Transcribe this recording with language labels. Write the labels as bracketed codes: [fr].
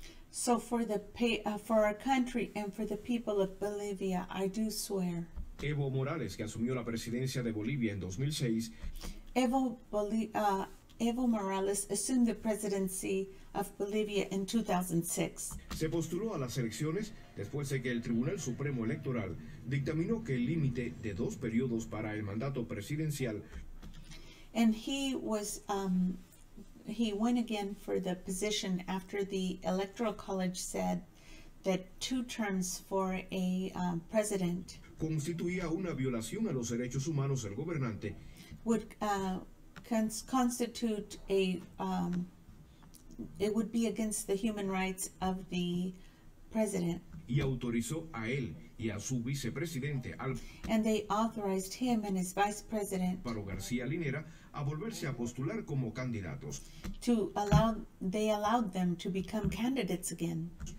[en] So for the for our country and for the people of Bolivia, I do swear. [es] Evo Morales, que asumió la presidencia de Bolivia en 2006. [en] Evo Morales assumed the presidency of Bolivia in 2006. [es] Se postuló a las elecciones después de que el Tribunal Supremo Electoral dictaminó que el límite de dos periodos para el mandato presidencial. [en] And he was he went again for the position after the Electoral College said that two terms for a president [es] constituía una violación a los derechos humanos del gobernante. [en] Would constitute a it would be against the human rights of the president. [es] Y autorizó a él y a su vicepresidente al [en] and they authorized him and his vice president [es] Pablo García Linera a volverse a postular como candidatos. [en] To allow they allowed them to become candidates again.